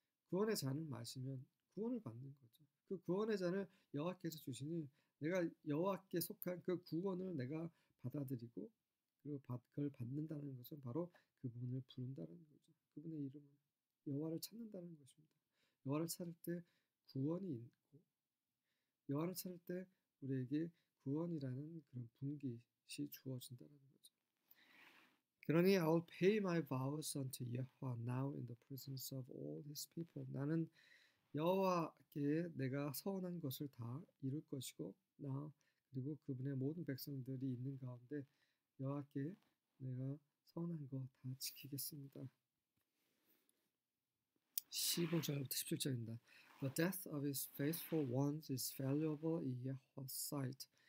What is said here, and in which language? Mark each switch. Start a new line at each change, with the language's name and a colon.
Korean: 구원의 잔을 마시면 구원을 받는 거죠. 그 구원의 잔을 여호와께서 주시니 내가 여호와께 속한 그 구원을 내가 받아들이고 그리고 그걸 받는다는 것은 바로 그분을 부른다는 거죠. 그분의 이름을 여호와를 찾는다는 것입니다. 여호와를 찾을 때 구원이 있고 여호와를 찾을 때 우리에게 구원이라는 그런 분깃이 주어진다는 거죠. 그러니
English: I will pay my vows unto Yahweh now in the presence of all his people.
Korean: 나는 여호와께 내가 서원한 것을 다 이룰 것이고 나 그리고 그분의 모든 백성들이 있는 가운데 여호와께 내가 서원한 거다 지키겠습니다. 15절부터 17절입니다.
English: The death of his faithful ones is valuable in Yahweh's sight.